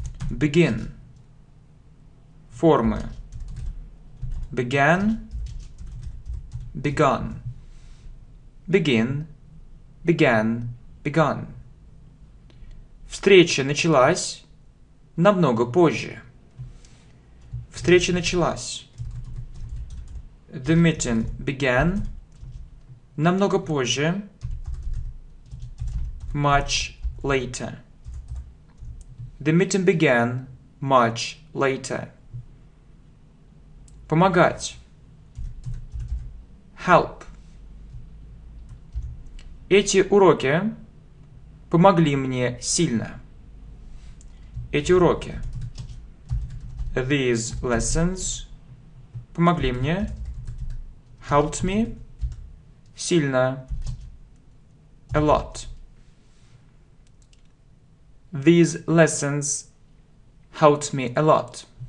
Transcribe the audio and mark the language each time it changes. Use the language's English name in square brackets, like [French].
[English] Begin. [Russian] Формы. [English] Began. Begun. Begin. Began. Begun. [Russian] Встреча началась намного позже. Встреча началась. [English] The meeting began [Russian] намного позже. [English] Much later. The meeting began much later. [Russian] Помогать. [English] Help. [Russian] Эти уроки помогли мне сильно. Эти уроки. [English] These lessons [Russian] помогли мне. [English] Helped me. [Russian] Сильно. [English] A lot. These lessons helped me a lot.